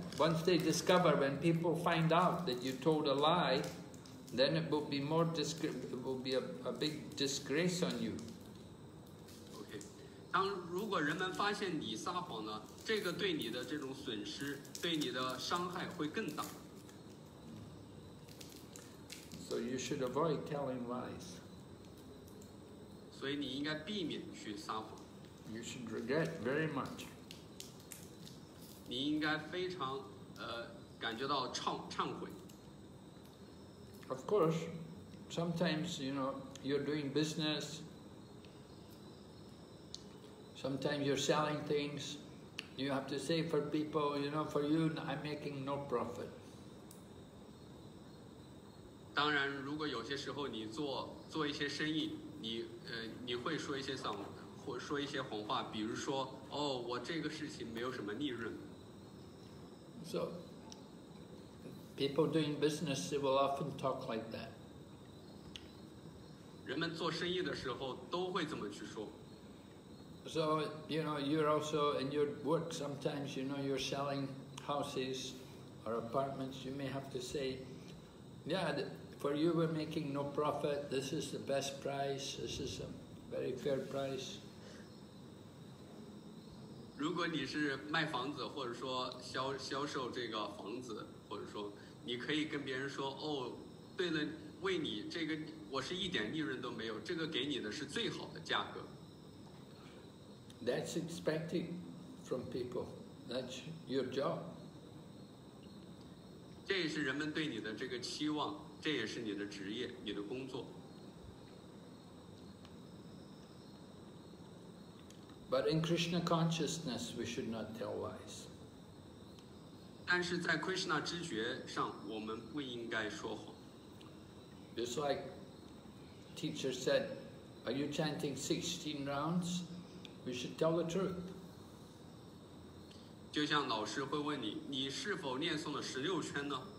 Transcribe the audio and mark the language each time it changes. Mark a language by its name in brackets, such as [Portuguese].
[English] Once they discover, when people find out that you told a lie, then it will be more it will be a big disgrace on you. Okay. [Chinese] 当如果人们发现你撒谎呢，这个对你的这种损失，对你的伤害会更大。 [English] So you should avoid telling lies. [Chinese] 所以你应该避免去撒谎。 [English] You should regret very much. [Chinese] 你应该非常感觉到忏悔。 [English] Of course, sometimes you know you're doing business. Sometimes you're selling things. You have to say for people, you know, for you, I'm making no profit. [Chinese] 当然，如果有些时候你做一些生意，你会说一些丧。或说一些谎话，比如说，哦，我这个事情没有什么利润。 [English] So, people doing business will often talk like that. [Chinese] 人们做生意的时候都会这么去说。 [English] So, you know, you're also in your work sometimes, you know, you're selling houses or apartments, you may have to say, yeah, for you we're making no profit, this is the best price, this is a very fair price. [Chinese] 如果你是卖房子或者说销售这个房子，或者说你可以跟别人说，哦，对了，为你这个我是一点利润都没有，这个给你的是最好的价格。 [English] That's expected from people. That's your job. [Chinese] 这也是人们对你的这个期望，这也是你的职业，你的工作。 [English] But in Krishna consciousness, we should not tell lies. [Chinese] 但是在 Krishna 知觉上，我们不应该说谎。 [English] Just like teacher said, are you chanting 16 rounds? We should tell the truth. [Chinese] 就像老师会问你，你是否念诵了16圈呢？